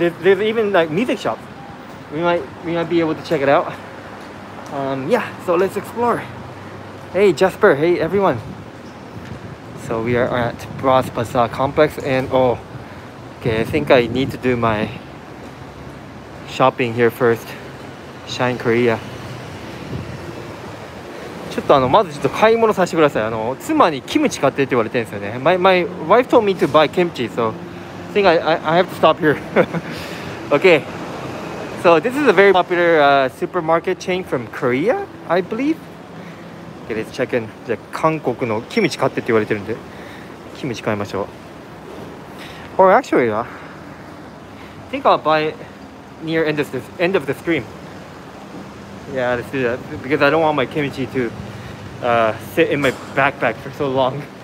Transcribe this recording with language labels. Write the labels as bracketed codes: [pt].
[en] There's even like music shops. We might be able to check it out. So let's explore. Hey Jasper, hey everyone. So we are at Bras Basah Complex, and I think I need to do my shopping here first. Shine Korea. [ja] ちょっとまずちょっと買い物させてください。妻にキムチ買ってって言われてるんですよね。 [en] My wife told me to buy kimchi, so I think I have to stop here. Okay. So this is a very popular supermarket chain from Korea, I believe. Okay, let's check in. [ja] じゃあ韓国のキムチ買ってって言われてるんで、キムチ買いましょう。 [en] Or actually, I think I'll buy near end of the stream. Yeah, let's do that, because I don't want my kimchi to sit in my backpack for so long.